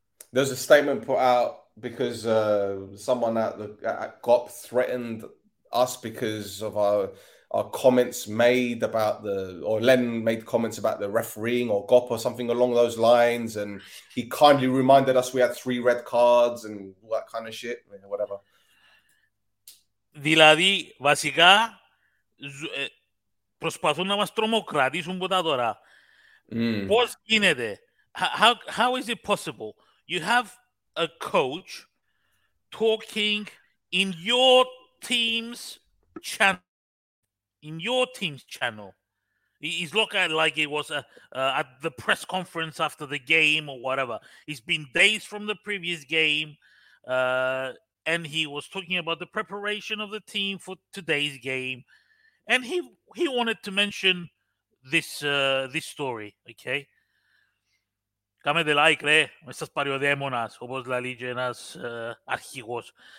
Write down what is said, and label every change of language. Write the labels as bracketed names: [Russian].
[English] There's a statement put out because someone at GOP threatened us because of our comments made about the, or Len made comments about the refereeing or GOP or something along those lines. And he kindly reminded us we had three red cards and all that kind of shit, whatever. [Greek] Δηλαδή, βασικά, προσπαθούν να μας τρομοκρατήσουν από τα τώρα. [English] What's in it? How is it possible? You have a coach talking in your team's channel. In your team's channel, he's looking at it like it was at the press conference after the game or whatever. It's been days from the previous game, and he was talking about the preparation of the team for today's game, and he wanted to mention this story, okay? [Greek] Κάμε δε like, ρε, μες σας πάρει ο δαίμονας, όπως λαλεί και ένας αρχηγός.